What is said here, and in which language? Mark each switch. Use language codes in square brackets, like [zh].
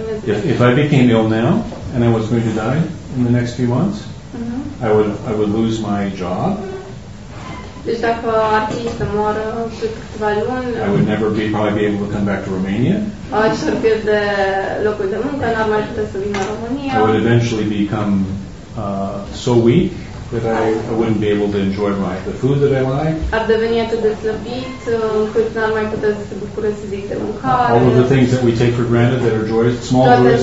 [en] If I became ill now and I was going to die in the next few months. Mm-hmm. I would lose my job. [ro] Deci dacă ar fi să moară pe câteva luni, [en] I would never probably be able to come back to Romania. [ro] Aș pierde locul de muncă, n-ar mai putea să vin la România. [en] I would eventually become so weak that I wouldn't be able to enjoy the food that I like. [ro] Ar deveni atât de slăbit încât n-ar mai putea să se bucure, să zic, de mâncare. [en] All of the things that we take for granted that are joyous, small joys in life.